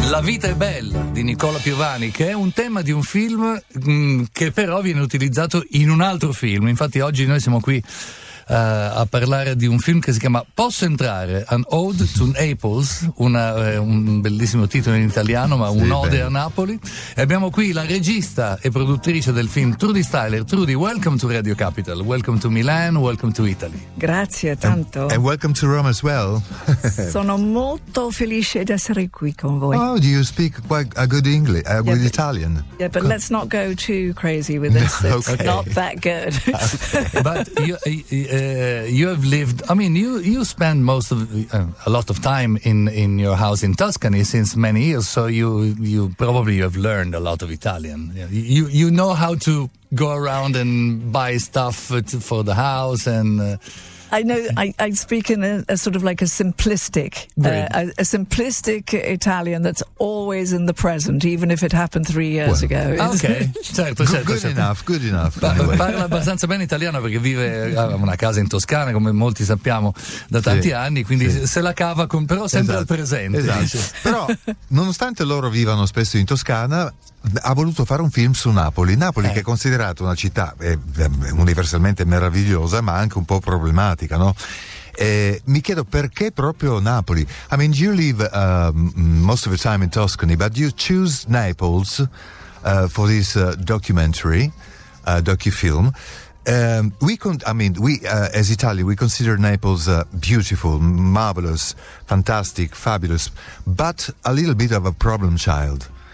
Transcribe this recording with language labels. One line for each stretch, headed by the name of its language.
Italian: vita è bella di Nicola Piovani, che è un tema di un film che però viene utilizzato in un altro film. Infatti oggi noi siamo qui a parlare di un film che si chiama Posso Entrare? An Ode to Naples, un bellissimo titolo in italiano, ma un ode a Napoli. E abbiamo qui la regista e produttrice del film, Trudy Styler.
English: Trudy, welcome to Radio Capital, welcome to Milan, welcome to Italy.
Italian: Grazie tanto.
English: And welcome to Rome as well.
Italian: Sono molto felice di essere qui con voi.
English: Oh, do you speak quite a good English, good Italian? Yeah, but let's not go too crazy with this. No, okay. It's not that good. Okay. But you have lived, I mean, you spend most of a lot of time in your house in Tuscany since many years, so you probably have learned a lot of Italian. You know how to go around and buy stuff for the house and I know I speak in a sort of like a simplistic simplistic Italian that's always in the present, even if it happened 3 years ago.
Italian: Okay, certo. Parla abbastanza bene italiano perché vive una casa in Toscana, come molti sappiamo, da tanti anni, quindi se la cava con, però sempre al presente. Esatto. Però nonostante loro vivano spesso in Toscana, ha voluto fare un film su Napoli. Napoli, che è considerata una città universalmente meravigliosa, ma anche un po' problematica, no? Mi chiedo perché proprio Napoli.
English: I mean, you live most of the time in Tuscany, but you choose Naples for this documentary, docufilm. As Italy, we consider Naples beautiful, marvelous, fantastic, fabulous, but a little bit of a problem child.